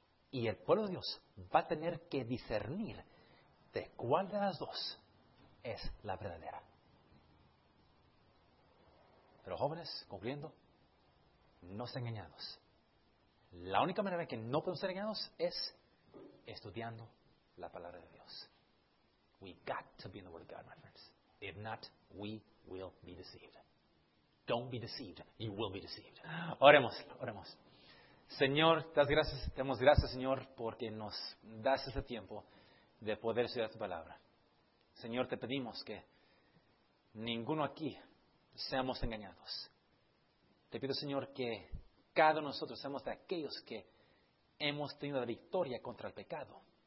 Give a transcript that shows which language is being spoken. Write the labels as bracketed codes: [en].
[es] Y el pueblo de Dios va a tener que discernir de cuál de las dos es la verdadera. Pero jóvenes, concluyendo, no sean engañados. La única manera que no podemos ser engañados es estudiando la palabra de Dios. [en] We got to be in the Word of God, my friends. If not, we will be deceived. Don't be deceived. You will be deceived. [es] Oremos. Señor, te damos gracias, Señor, porque nos das este tiempo de poder estudiar tu palabra. Señor, te pedimos que ninguno aquí seamos engañados. Te pido, Señor, que cada uno de nosotros seamos de aquellos que hemos tenido la victoria contra el pecado.